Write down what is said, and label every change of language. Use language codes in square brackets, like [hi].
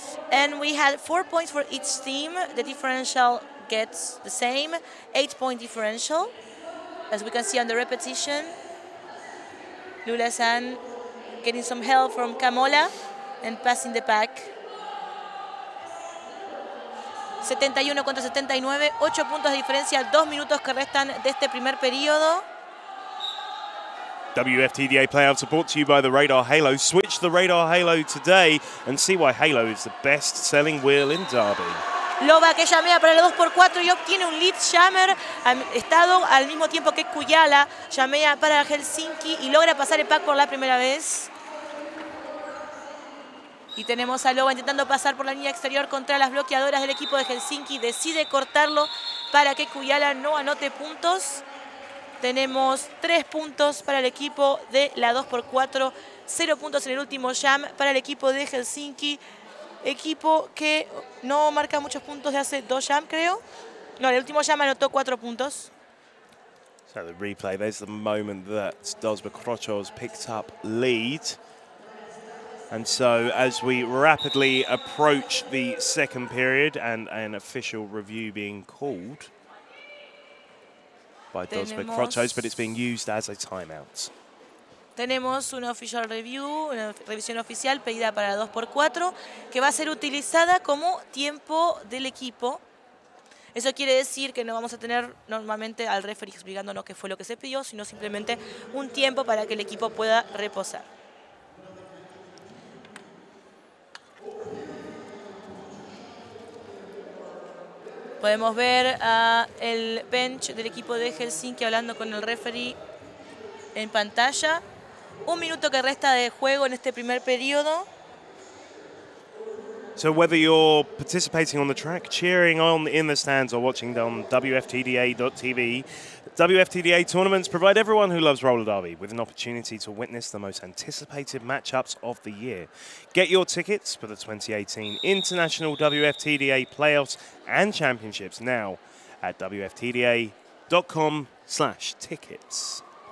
[en] And we had 4 points for each team. The differential gets the same, 8 point differential. As we can see on the repetition, Lula San getting some help from Kamola and passing the pack. [es] 71 contra 79, 8 puntos de diferencia, 2 minutos que restan de este primer periodo. [en] Wftda playoffs are brought to you by the Radar Halo. Switch the Radar Halo today and see why Halo is the best-selling wheel in Derby. [es] Loba que llamea para el 2x4 y obtiene un lead jammer. Ha estado al mismo tiempo que Kujala llamea para Helsinki y logra pasar el pack por la primera vez. Y tenemos a Loba intentando pasar por la línea exterior contra las bloqueadoras del equipo de Helsinki. Decide cortarlo para que Kujala no anote puntos. Tenemos 3 puntos para el equipo de la 2x4, 0 puntos en el último jam para el equipo de Helsinki, equipo que no marca muchos puntos de hace 2 jam, creo. No, el último jam anotó 4 puntos. [en] So the replay, there's the moment that Dosma Kratros picked up lead. And so as we rapidly approach the second period and an official review being called by Dosma Kratros, but it's being used as a timeout. [es] Tenemos una official review, una revisión oficial pedida para la 2x4, que va a ser utilizada como tiempo del equipo. Eso quiere decir que no vamos a tener normalmente al referee explicándonos qué fue lo que se pidió, sino simplemente un tiempo para que el equipo pueda reposar. Podemos ver el bench del equipo de Helsinki hablando con el referee en pantalla. 1 minuto que resta de juego en este primer periodo. [en] So whether you're participating on the track, cheering on in the stands, or watching on WFTDA.tv, WFTDA tournaments provide everyone who loves roller derby with an opportunity to witness the most anticipated matchups of the year. Get your tickets for the 2018 International WFTDA Playoffs and Championships now at WFTDA.com/tickets.